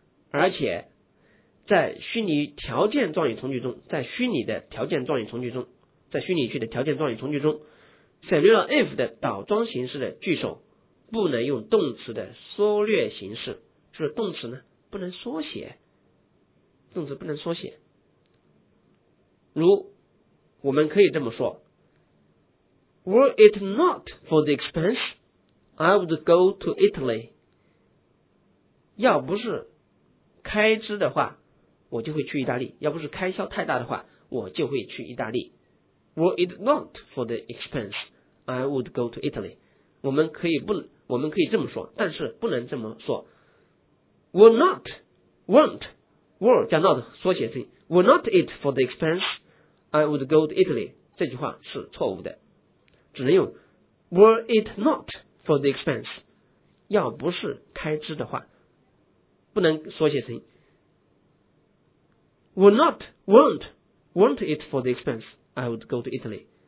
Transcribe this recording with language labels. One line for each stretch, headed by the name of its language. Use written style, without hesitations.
Chinese: 而且在虚拟条件状语从句中，在虚拟的条件状语从句中，在虚拟句的条件状语从句中，省略了 if 的倒装形式的句首，不能用动词的缩略形式，就是动词呢不能缩写，动词不能缩写。如我们可以这么说，
English: Were it not for the expense, I would go to Italy.
Chinese: 要不是开支的话，我就会去意大利。要不是开销太大的话，我就会去意大利。
English: Were it not for the expense, I would go to Italy.
Chinese: 我们可以这么说，但是不能这么说。
English: Were not, weren't, were
Chinese: 加
English: not
Chinese: 缩写成
English: Were not it for the expense,I would go to Italy,
Chinese: 这句话是错误的，只能用
English: Were it not for the expense,
Chinese: 要不是开支的话，不能缩写成
English: Were not, weren't, weren't it for the expense, I would go to Italy.